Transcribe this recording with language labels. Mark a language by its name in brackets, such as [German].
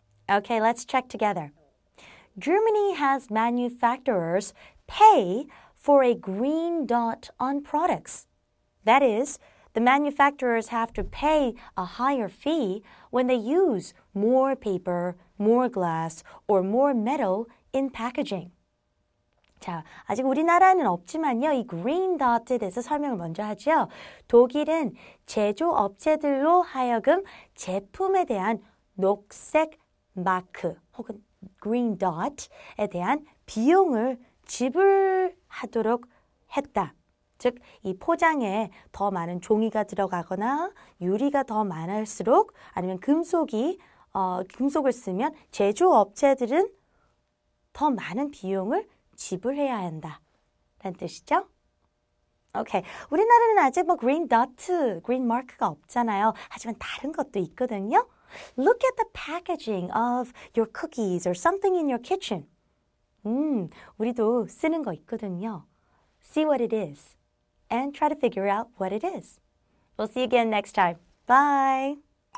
[English] Okay, let's check together. Germany has manufacturers pay for a green dot on products. That is, the manufacturers have to pay a higher fee when they use more paper, more glass, or more metal in packaging. [Korean] 자, 아직 우리나라는 없지만요. 이 green dot에 대해서 설명을 먼저 하죠. 독일은 제조업체들로 하여금 제품에 대한 녹색 마크 혹은 green dot에 대한 비용을 지불하도록 했다. 즉, 이 포장에 더 많은 종이가 들어가거나 유리가 더 많을수록 아니면 금속을 쓰면 제조업체들은 더 많은 비용을 지불해야 한다라는 뜻이죠? 오케이. 우리나라는 아직 뭐 green dot, green mark가 없잖아요. 하지만 다른 것도 있거든요. [English] Look at the packaging of your cookies or something in your kitchen. [Korean] 우리도 쓰는 거 있거든요. [English] See what it is and try to figure out what it is. We'll see you again next time. Bye!